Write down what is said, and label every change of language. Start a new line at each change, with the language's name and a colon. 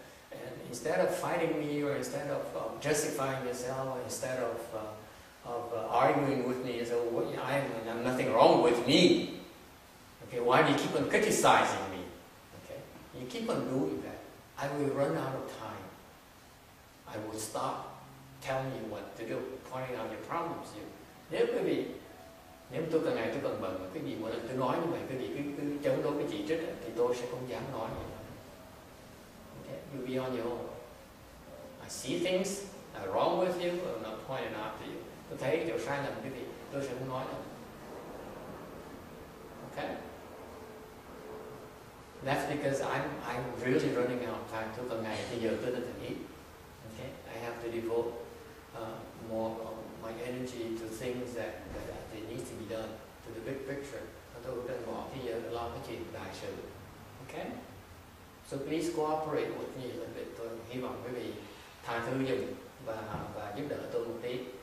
English: And instead of fighting me, or instead of justifying yourself, or instead of arguing with me, so what, I'm nothing wrong with me. Okay, why do you keep on criticizing me? Okay, you keep on doing that, I will run out of time. I will stop telling you what to do, pointing out your problems.
Vietnamese: Nếu quý vị, nếu tôi càng ngày tôi càng bận, quý vị mỗi lần tôi nói như vậy, quý vị cứ chống đối với chỉ trích ấy, thì tôi sẽ không dám nói gì nữa.
English: Okay, you be on your own. I see things are wrong with you, I'm not pointing out to you.
Vietnamese: Tôi thấy điều sai lầm quý vị, tôi sẽ không nói đâu.
English: Okay. That's because I'm really running out of time.
Vietnamese: Tôi càng ngày thì giờ tôi đã thành ít.
English: I have to devote more of my energy to things that need to be done, to the big picture. Okay? So please cooperate with me a little bit.
Vietnamese: Tôi hy vọng quý vị tha thứ dùm và giúp đỡ tôi một tí.